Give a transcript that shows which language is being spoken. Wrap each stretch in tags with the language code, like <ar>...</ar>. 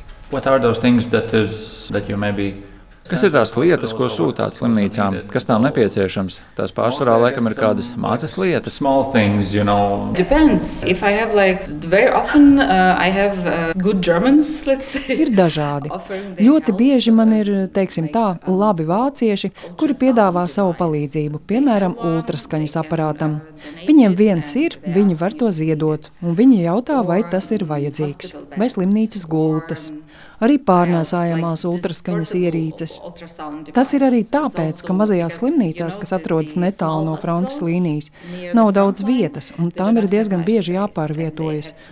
<en>What are those things that you maybe</en> <lv>Kas ir tās lietas, ko sūtāt slimnīcām? Kas tām nepieciešams? Tās pārsvarā laikam ir kādas mazas lietas.</lv> <en>Small things, you know. Depends. If I have like very often I have good Germans, let's say.</en> <lv>Ir dažādi. Ļoti bieži man ir, teiksim tā, labi vācieši, kuri piedāvā savu palīdzību, piemēram, ultraskaņas aparātam. Viņiem viens ir, viņi var to ziedot, un viņi jautā, vai tas ir vajadzīgs, vai slimnīcas gultas. Arī pārnēsājamās ultraskaņas ierīces. Tas ir arī tāpēc, ka mazajās slimnīcās, kas atrodas netālu no frontes līnijas, nav daudz vietas, un tām ir diezgan bieži jāpārvietojas.</lv>